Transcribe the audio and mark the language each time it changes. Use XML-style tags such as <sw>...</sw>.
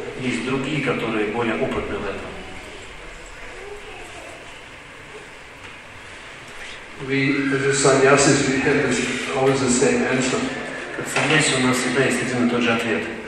<ru>Есть другие, которые более опытны в этом.</ru> <en>We, as a sannyasis, we have this, always the same answer.</en> <ru>Как sannyasi у нас всегда есть один и тот же ответ.</ru>